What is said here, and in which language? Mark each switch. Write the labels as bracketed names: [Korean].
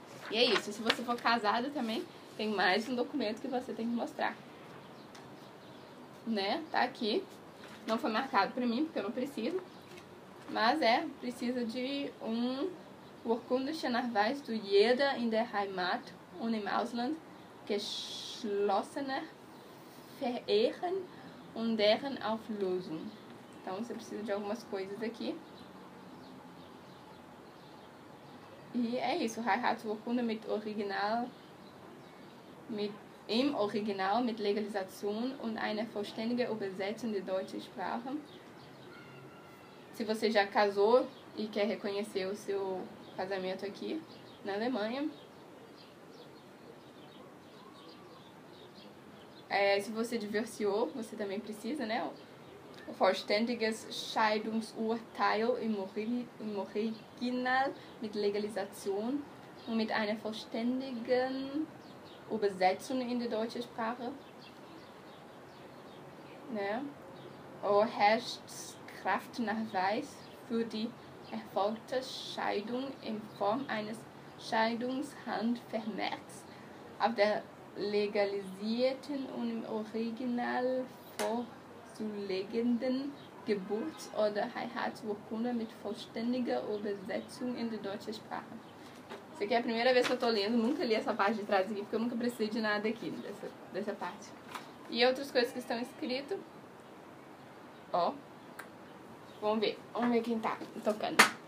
[Portuguese] E é isso. Se você for casada também, tem mais um documento que você tem que mostrar. Né? Tá aqui. Não foi marcado pra mim, porque eu não preciso. Mas é. Precisa de um [German] Urkundenachweis zu jeder in der Heimat und im Ausland geschlossener Verehren und deren Auflösung. [Portuguese] Então você precisa de algumas coisas aqui. E é isso, [German] Heiratsurkunde mit Original, im Original, mit Legalisation und eine vollständige Übersetzung der deutschen Sprache. [Portuguese] Se você já casou e quer reconhecer o seu casamento aqui na Alemanha. Se você divorciou, você também precisa, né? [German] Vollständiges Scheidungsurteil im Original mit Legalisation und mit einer vollständigen Übersetzung in die deutsche Sprache. Ne? Rechtskraftnachweis für die erfolgte Scheidung in Form eines Scheidungshandvermerks auf der legalisierten und im Original vor zu legenden Geburts- oder Heiratsurkunde mit vollständiger Übersetzung in die deutsche Sprache. [Portuguese] Isso aqui é a primeira vez que eu tô lendo, nunca li essa parte de trás aqui, porque eu nunca precisei de nada aqui, dessa parte. E outras coisas que estão escritas. Ó. Vamos ver quem tá tocando.